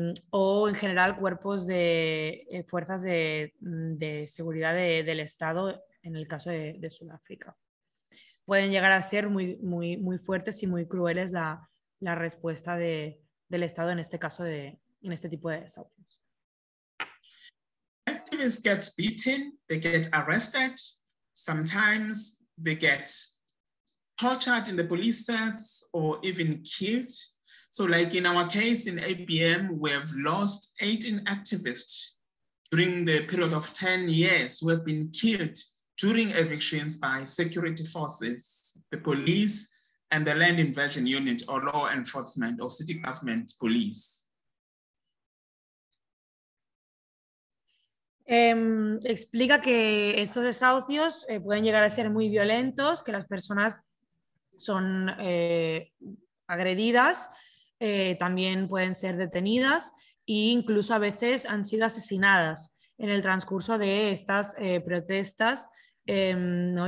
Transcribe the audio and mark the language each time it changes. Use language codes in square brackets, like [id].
[es] o en general cuerpos de fuerzas de seguridad del Estado en el caso de Sudáfrica. Pueden llegar a ser muy, muy, muy fuertes y muy crueles la respuesta del Estado en este caso en este tipo de desahucios. [en] Activists get beaten, they get arrested. Sometimes they get tortured in the police cells or even killed. So like in our case in ABM, we have lost 18 activists during the period of 10 years who have been killed during evictions by security forces, the police, and the land invasion unit or law enforcement or city government police. [es] Explica que estos desahucios pueden llegar a ser muy violentos, que las personas son agredidas, también pueden ser detenidas e incluso a veces han sido asesinadas en el transcurso de estas protestas ¿no?